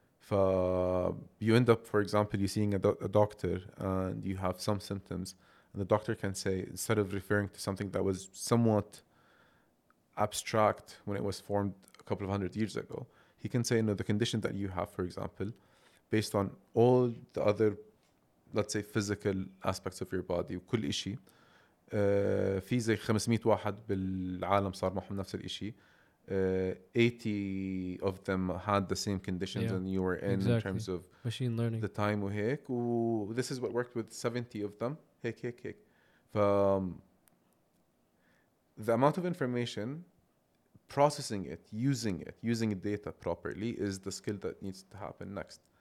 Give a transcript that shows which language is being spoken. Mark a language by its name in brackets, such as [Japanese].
[English] You end up, for example, you're seeing a doctor and you have some symptoms, and the doctor can say, instead of referring to something that was somewhat abstract when it was formed a couple of hundred years ago, he can say, no, the condition that you have, for example, based on all the other, let's say, physical aspects of your body, [Arabic] كل إشي. في زي 500 واحد بالعالم صار معهم نفس الإشي. [English] 80 of them had the same conditions than you were in, exactly, in terms of machine learning. The time [Arabic] وهيك. [English] This is what worked with 70 of them. [Arabic] هيك. [English] The amount of information, processing it, using data properly is the skill that needs to happen next.